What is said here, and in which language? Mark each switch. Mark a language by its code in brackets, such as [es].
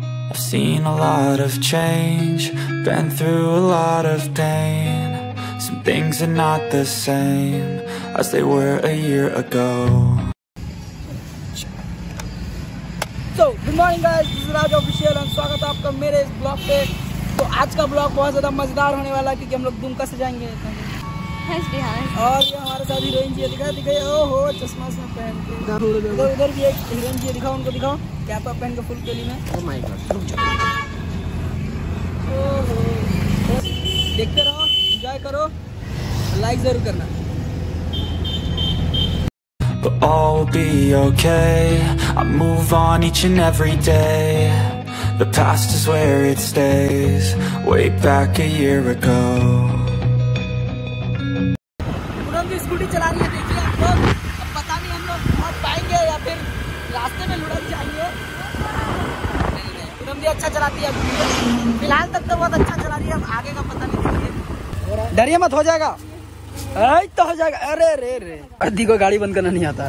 [en] I've seen a lot of change, been through a lot of pain. Some things are not the same as they were a year ago. [hi] Good morning guys, Raj official, स्वागत है आपका मेरे इस blog पे। तो आज का blog बहुत ज्यादा मजेदार होने वाला है क्योंकि हम लोग दुमका से जाएंगे। हाँ, और ये हमारे साथ हीरोइन जी दिखा दिखाई, ओहो चश्मा से पहन के। उधर उधर भी एक हीरोइन जी दिखाओ, उनको दिखाओ कैप पहन के फुल केली में। ओह माय गॉड, रुक जाओ, ओहो देखते रहो, एंजॉय करो, लाइक जरूर करना। [en] But all will be okay, I move on each and every day. The past is where it stays, way back a year ago. [hi] पूरा की स्कूटी चला रही है, देखिए आप लोग, अब पता नहीं हम लोग पहुंच पाएंगे या फिर रास्ते में लुढ़क जाएंगे। पूरा भी अच्छा चलाती है, फिलहाल तक तो बहुत अच्छा चला रही है, अब आगे का पता नहीं। डरिए मत, हो जाएगा, तो हो जाएगा। अरे रे रे, अद्दी को गाड़ी बंद करना नहीं आता,